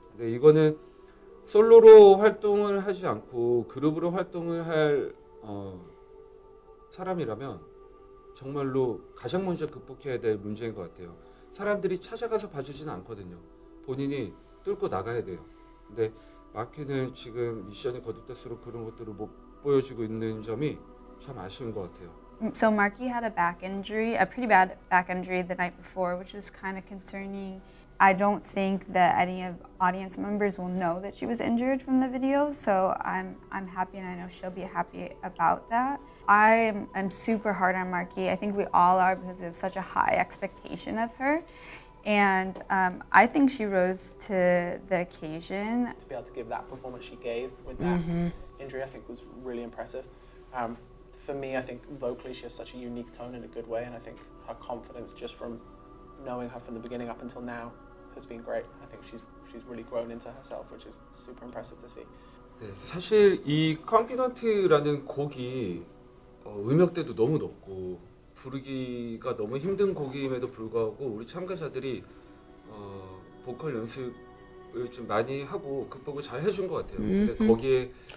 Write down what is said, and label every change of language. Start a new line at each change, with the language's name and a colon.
Korean: 근데 이거는 솔로로 활동을 하지 않고 그룹으로 활동을 할 사람이라면 정말로 가장 먼저 극복해야 될 문제인 것 같아요. 사람들이 찾아가서 봐주지는 않거든요. 본인이 뚫고 나가야 돼요. 근데 마키는 지금 미션이 거듭될수록 그런 것들을 못 보여주고 있는 점이 참 아쉬운 것 같아요.
English: So Marky had a back injury, a pretty bad back injury the night before, which was kind of concerning. I don't think that any of audience members will know that she was injured from the video, so I'm happy and I know she'll be happy about that. I'm super hard on Marky. I think we all are because we have such a high expectation of her. And I think she rose to the occasion. To be able to give that performance she gave with that injury, I think was really impressive. For me, I think vocally she has such a unique tone in a good way, and I think her confidence just from knowing her from the beginning up until now has been great. I think she's really grown into herself, which is super impressive to see.
Korean: 네, 사실 이 Confident라는 곡이 음역대도 너무 높고 부르기가 너무 힘든 곡임에도 불구하고 우리 참가자들이 보컬 연습을 좀 많이 하고 극복을 잘 해준 것 같아요. 근데 거기에